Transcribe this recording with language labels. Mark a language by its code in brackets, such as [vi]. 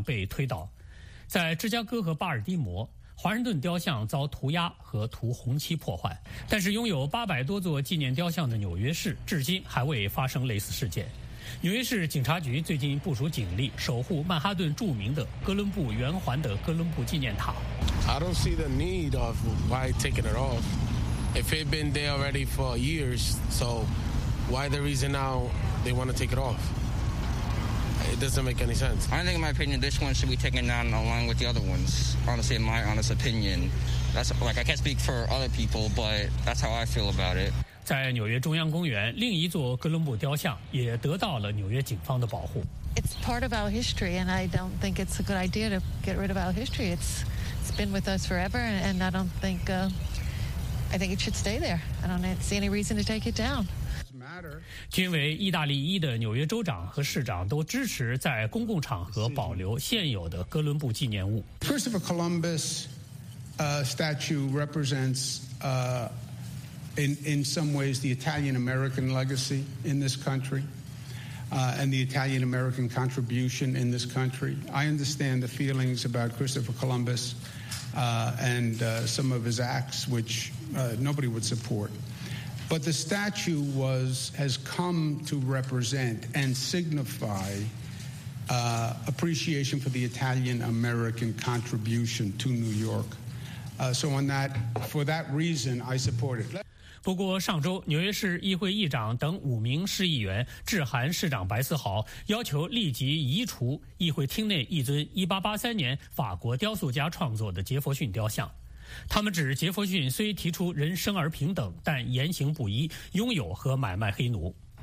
[zh] 哥伦布雕像被推倒或遭破坏的地方有明尼苏达州的圣保罗市、波士顿、维吉尼亚大学、迈阿密和芝加哥。波特兰和芝加哥是首先把矛头对准美国建国者雕像的城市。在波特兰，一座杰弗逊雕像和一座华盛顿雕像被推倒。在芝加哥和巴尔的摩， 华盛顿雕像遭涂鸦和涂红漆破坏，但是拥有800多座纪念雕像的纽约市至今还未发生类似事件。纽约市警察局最近部署警力守护曼哈顿著名的哥伦布圆环的哥伦布纪念塔。 [en] I don't see the need of why taking it off. If it been there already for years, so why the reason now they want to take it off? It doesn't make any sense. I think in my opinion, this one should be taken down along with the other ones. Honestly, in my honest opinion, that's like I can't speak for other people, but that's how I feel about it. [zh] 在纽约中央公园，另一座哥伦布雕像也得到了纽约警方的保护。 [en] It's part of our history, and I don't think it's a good idea to get rid of our history. It's been with us forever, and I don't think, I think it should stay there. I don't see any reason to take it down. [zh] 均为意大利裔的纽约州长和市长都支持在公共场合保留现有的哥伦布纪念物。 [en] Christopher Columbus, statue represents, in some ways, the Italian-American legacy in this country, and the Italian-American contribution in this country. I understand the feelings about Christopher Columbus, and some of his acts, which nobody would support. But the statue has come to represent and signify appreciation for the Italian-American contribution to New York. So on that, for that reason, I support it. [zh] 不过上周纽约市议会议长等五名市议员致函市长白思豪，要求立即移除议会厅内一尊1883年法国雕塑家创作的杰弗逊雕像。他们指杰弗逊虽提出人生而平等，但言行不一，拥有和买卖黑奴。